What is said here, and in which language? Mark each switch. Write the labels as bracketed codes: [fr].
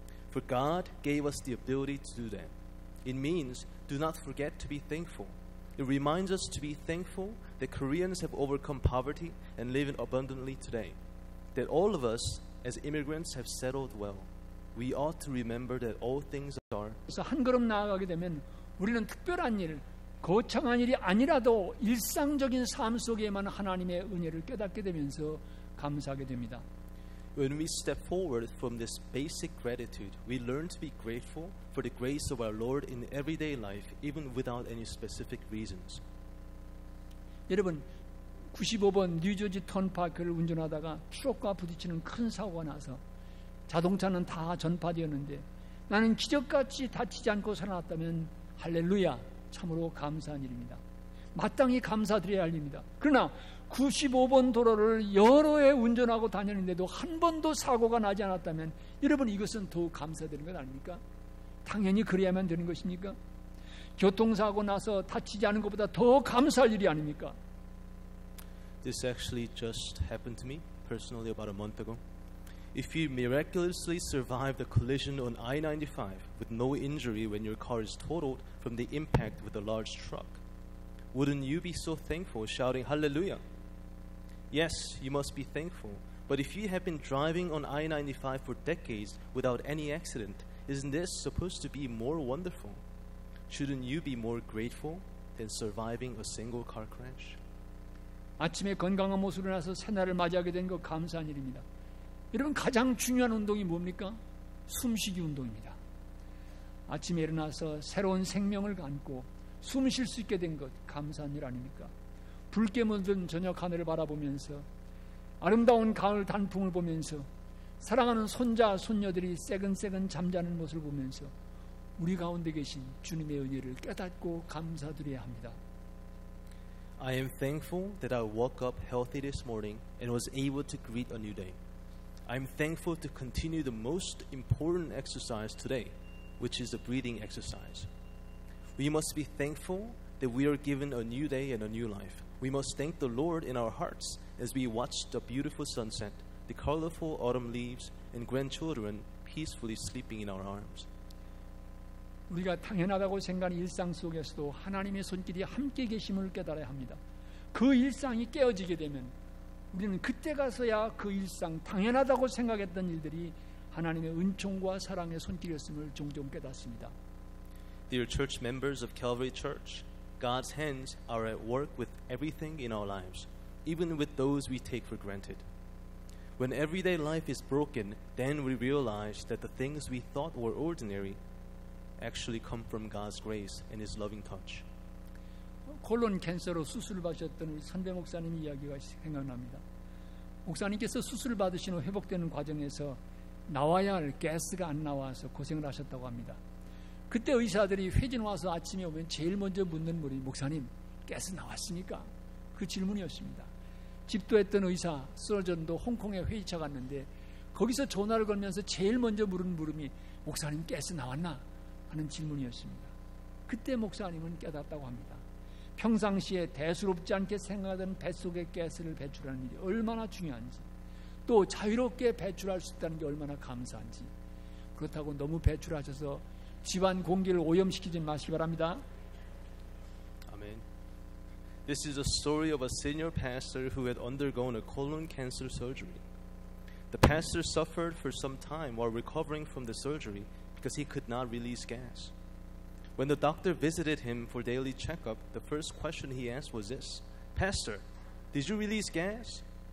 [en] For God gave us the ability to do that. It means, do not forget to be thankful. It reminds us to be thankful that Koreans have overcome poverty and live abundantly today. That all of us, as immigrants, have settled well. We ought to remember that all things are... [ko] 그래서 한 걸음 나아가게 되면 우리는 특별한 일, 거창한 일이 아니라도 일상적인 삶 속에만 하나님의 은혜를 깨닫게 되면서 감사하게 됩니다. [en] When we step forward from this basic gratitude, we learn to be grateful for the grace of our Lord in everyday life, even without any specific reasons. [ko] 여러분, 95번 뉴저지 턴파크를 운전하다가 트럭과 부딪히는 큰 사고가 나서 자동차는 다 전파되었는데 나는 기적같이 다치지 않고 살아났다면 할렐루야! 참으로 감사한 일입니다. 마땅히 감사드려야 할 일입니다. 그러나 95번 도로를 여러 해 운전하고 다녔는데도 한 번도 사고가 나지 않았다면 여러분 이것은 더욱 감사드리는 것 아닙니까? 당연히 그래야만 되는 것입니까? 교통사고 나서 다치지 않은 것보다 더 감사할 일이 아닙니까? [en] This actually just happened to me personally about a month ago. If you miraculously survive the collision on I-95 with no injury when your car is totaled from the impact with a large truck, wouldn't you be so thankful shouting hallelujah? Yes, you must be thankful, but if you have been driving on I-95 for decades without any accident, isn't this supposed to be more wonderful? Shouldn't you be more grateful than surviving a single car crash? [ko] 아침에 건강한 모습으로 나서 새날을 맞이하게 된 거 감사한 일입니다. 여러분 가장 중요한 운동이 뭡니까? 숨쉬기 운동입니다. 아침에 일어나서 새로운 생명을 안고 숨 쉴 수 있게 된 것 감사한 일 아닙니까? 붉게 물든 저녁 하늘을 바라보면서 아름다운 가을 단풍을 보면서 사랑하는 손자 손녀들이 새근새근 잠자는 모습을 보면서 우리 가운데 계신 주님의 은혜를 깨닫고 감사드려야 합니다. [en] I am thankful that I woke up healthy this morning and was able to greet a new day. I am thankful to continue the most important exercise today, which is the breathing exercise. We must be thankful that we are given a new day and a new life. We must thank the Lord in our hearts as we watch the beautiful sunset, the colorful autumn leaves, and grandchildren peacefully sleeping in our arms. [ko] 우리가 당연하다고 생각하는 일상 속에서도 하나님의 손길이 함께 계심을 깨달아야 합니다. 그 일상이 깨어지게 되면 우리는 그때 가서야 그 일상 당연하다고 생각했던 일들이 하나님의 은총과 사랑의 손길이었음을 종종 깨닫습니다. [en] Dear church members of Calvary Church, God's hands are at work with everything in our lives, even with those we take for granted. When everyday life is broken, then we realize that the things we thought were ordinary actually come from God's grace and His loving touch. [ko] 콜론 캔서로 수술을 받으셨던 우리 선배 목사님 이야기가 생각납니다. 목사님께서 수술을 받으신 후 회복되는 과정에서 나와야 할 가스가 안 나와서 고생을 하셨다고 합니다. 그때 의사들이 회진 와서 아침에 오면 제일 먼저 묻는 물이 목사님 가스 나왔습니까? 그 질문이었습니다. 집도했던 의사 서전도 홍콩에 회의차 갔는데 거기서 전화를 걸면서 제일 먼저 물은 물음이 목사님 가스 나왔나 하는 질문이었습니다. 그때 목사님은 깨닫다고 합니다. 평상시에 대수롭지 않게 생각하던 뱃속의 가스를 배출하는 일이 얼마나 중요한지, 또 자유롭게 배출할 수 있다는 게 얼마나 감사한지, 그렇다고 너무 배출하셔서 집안 공기를 오염시키지 마시기 바랍니다. [en] Amen. This is a story of a senior pastor who had undergone a colon cancer surgery. The pastor suffered for some time while recovering from the surgery because he could not release gas. When the doctor visited him for daily checkup, the first question he asked was this: Pastor, did you release gas?